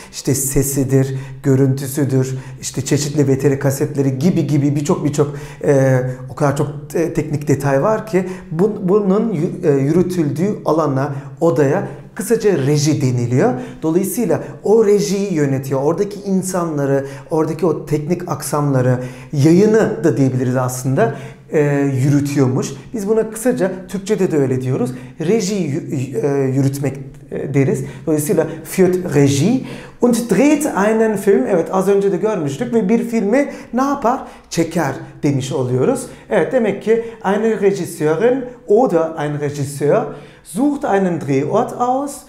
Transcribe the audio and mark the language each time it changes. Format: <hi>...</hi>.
<tr>İşte sesidir, görüntüsüdür, işte çeşitli VTR kasetleri gibi gibi birçok o kadar çok teknik detay var ki bunun yürütüldüğü alana, odaya kısaca reji deniliyor. Dolayısıyla o rejiyi yönetiyor. Oradaki insanları, oradaki o teknik aksamları, yayını da diyebiliriz aslında. Yürütüyormuş. Biz buna kısaca Türkçe'de de öyle diyoruz. Reji yürütmek deriz. Dolayısıyla</tr> <de>führt Regie und dreht einen Film.</de> <tr>Evet, az önce de görmüştük ve bir filmi ne yapar? Çeker demiş oluyoruz. Evet, demek ki</tr> <de>eine Regisseurin oder ein Regisseur sucht einen Drehort aus.</de>